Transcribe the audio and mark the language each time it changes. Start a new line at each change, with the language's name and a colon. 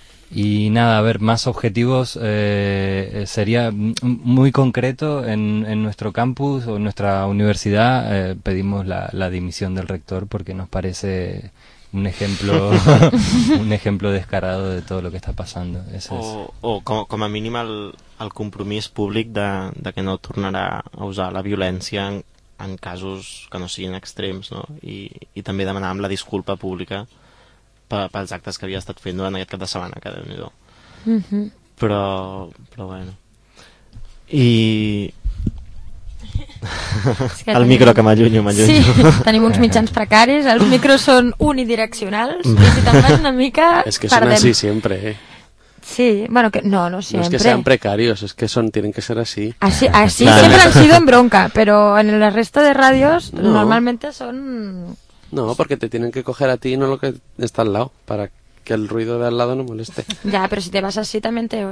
Spanish: Y nada, a ver, más objetivos sería muy concreto en nuestro campus o en nuestra universidad. Pedimos la dimisión del rector porque nos parece un ejemplo un ejemplo descarado de todo lo que está pasando.
Catalan: Com a mínim el compromís públic de que no tornarà a usar la violència en casos que no siguin extrems, no? I també demanàvem la disculpa pública pels actes que havia estat fent durant aquest cap de setmana, que déu-n'hi-do. Però bueno. I... el micro que m'allunyo. Sí, tenim uns mitjans precaris, els micros són unidireccionals, i si te'n vas una mica... És que són així sempre,
Spanish: Sí, bueno, que no siempre. No es que sean precarios, es que tienen que ser así. Así claro. Siempre han sido en bronca, pero en el resto de radios no. Normalmente son... No, porque te tienen que coger a ti y no lo que está al lado, para que el ruido de al lado no moleste. Ya, pero si te vas así también te...